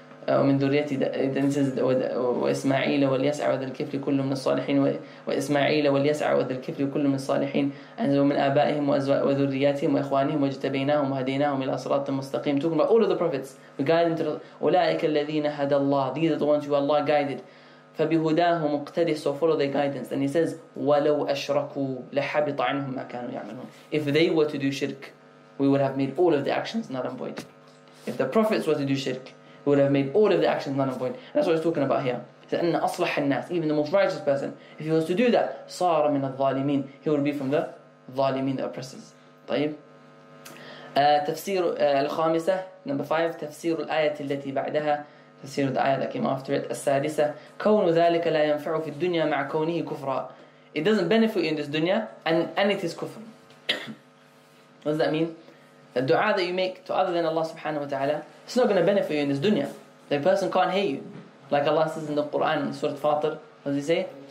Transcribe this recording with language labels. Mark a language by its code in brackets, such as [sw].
[ar] ومن ذريتي وإسماعيل واليسع وذا الكفل كل من الصالحين وإسماعيل واليسع وذا الكفل كل من الصالحين أنزلوا من آبائهم وذرياتهم وإخوانهم واجتبيناهم وهديناهم إلى صراط مستقيم. [en] Talking about all of the prophets, we guide them to [ar] أولئك الذين هدى الله, [en] these are the ones who Allah guided. [ar] فبهداهم اقتدي, [en] so follow their guidance. And he says, [ar] ولو أشركوا لحبط عنهم ما كانوا يعملون. [en] If they were to do shirk, we would have made all of the actions null and void. If the prophets were to do shirk, we would have made all of the actions null and void. That's what he's talking about here. He said, [ar] أصلح الناس, [en] even the most righteous person, if he was to do that, [ar] صار من الظالمين, [en] he would be from the ظالمين, the oppressors. [ar] طيب. تفسير الخامسة, [en] number five, [ar] تفسير الآية التي بعدها, تفسير الآية [en] that came after it. [ar] السادسة, كون ذلك لا ينفع في الدنيا مع كونه كفرا. [en] It doesn't benefit you in this dunya, and it is kufr. What does that mean? The dua that you make to other than Allah subhanahu wa ta'ala, it's not going to benefit you in this dunya. The person can't hear you. Like Allah says in the Quran, in Surah Fatir, what does he say?